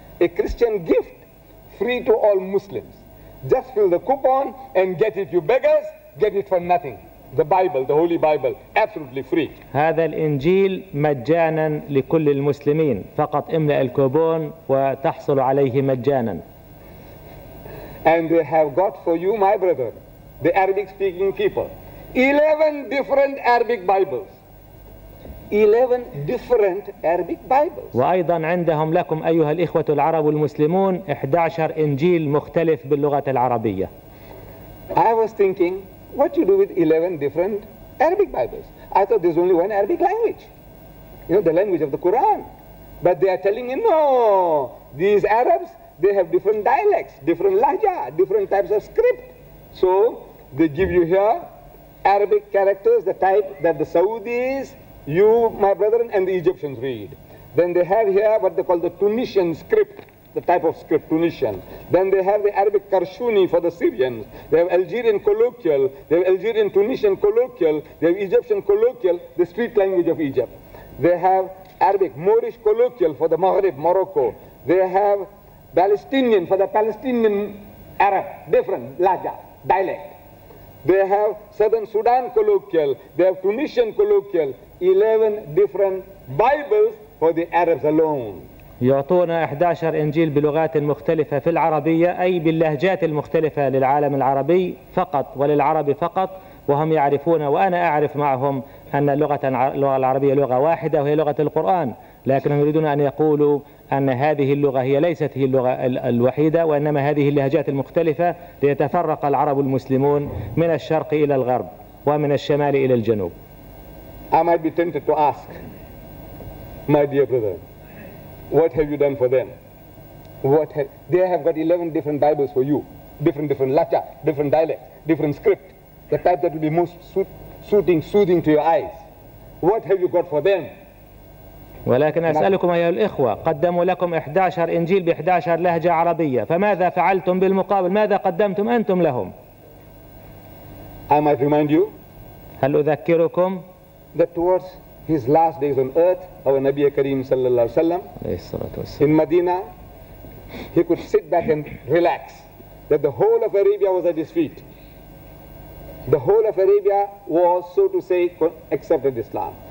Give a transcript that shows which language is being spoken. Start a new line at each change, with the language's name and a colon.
English: A Christian gift free to all Muslims. Just fill the coupon and get it, you beggars. Get it for nothing. The Bible, the Holy Bible, absolutely free.
Arabic: هذا الإنجيل مجانا لكل المسلمين. فقط املأ الكوبون وتحصل عليه مجانا.
English: And they have got for you, my brother, the Arabic speaking people, 11 different Arabic Bibles. 11 different Arabic Bibles.
Arabic: وأيضا عندهم لكم أيها الإخوة العرب المسلمون 11 إنجيل مختلف باللغة العربية.
English: I was thinking, what you do with 11 different Arabic Bibles? I thought there's only one Arabic language. You know, the language of the Quran. But they are telling me, no, these Arabs, they have different dialects, different lahja, different types of script. So they give you here Arabic characters, the type that the Saudis, you, my brethren, and the Egyptians read. Then they have here what they call the Tunisian script, the type of script, Tunisian. Then they have the Arabic Karshuni for the Syrians. They have Algerian colloquial. They have Algerian Tunisian colloquial. They have Egyptian colloquial, the street language of Egypt. They have Arabic Moorish colloquial for the Maghrib, Morocco. They have Palestinian for the Palestinian Arab, different lahja, dialect. They have Southern Sudan colloquial. They have Tunisian colloquial. 11 different Bibles for the Arabs alone.
Arabic: يعطونا 11 إنجيل بلغات مختلفة في العربية، أي باللهجات المختلفة للعالم العربي فقط وللعرب فقط، وهم يعرفون وأنا أعرف معهم أن اللغة العربية لغة واحدة وهي لغة القرآن، لكنهم يريدون أن يقولوا أن هذه اللغة هي ليست هي اللغة الوحيدة، وإنما هذه اللهجات المختلفة ليتفرق العرب المسلمون من الشرق إلى الغرب ومن الشمال إلى الجنوب.
English: I might be tempted to ask, my dear brother, what have you done for them? They have got 11 different Bibles for you, different lahja, different dialect, different script, the type that will be most soothing to your eyes. What have you got for them?
Arabic: ولكن أسألكم أيها الإخوة، قدموا لكم 11 إنجيل ب 11 لهجة عربية، فماذا فعلتم بالمقابل؟ ماذا قدمتم أنتم لهم؟
English: I might remind you.
Arabic: هل أذكركم؟
English: That towards his last days on earth, our Nabi Kareem
Arabic: sallallahu alayhi wasallam,
English: in Medina, he could sit back and relax, that the whole of Arabia was at his feet. The whole of Arabia was, so to say, accepted Islam.